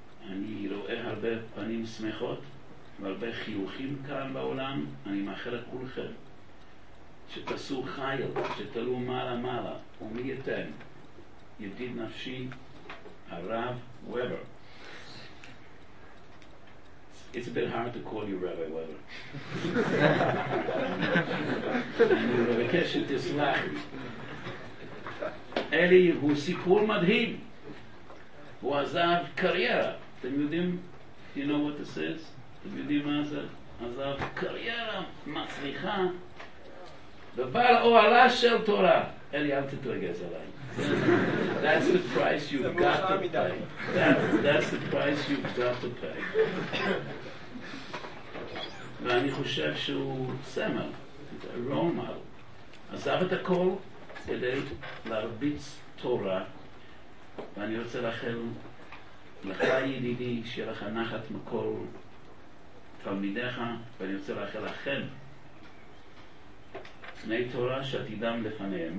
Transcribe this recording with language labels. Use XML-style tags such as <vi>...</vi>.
<he>אני רואה הרבה פנים שמחות והרבה חיוכים כאן בעולם. אני מאחל לכולכם שתעשו חיל, שתלו מעלה מעלה, ומי יתן, ידיד נפשי הרב וובר.</he> <en>It's a bit hard to call you Rabbi Weber.</en> <he>אני מבקש שתסלח לי. אלי הוא סיפור מדהים. הוא עזב קריירה. אתם יודעים?</he> <en>You know what this is?</en> <he>אתם יודעים מה זה? עזב קריירה מצליחה ובעל אוהלה של תורה. אלי, אל תתרגז עליי.</he> <en>That's the price you've got to pay. That's the price you've got to pay.</en> <he>ואני חושב שהוא סמל, role model. עזב את הכל כדי להרביץ תורה. ואני רוצה לאחל לך ידידי שיהיה לך נחת מכל תלמידיך, ואני רוצה לאחל לכם בני תורה שעתידם לפניהם.</he>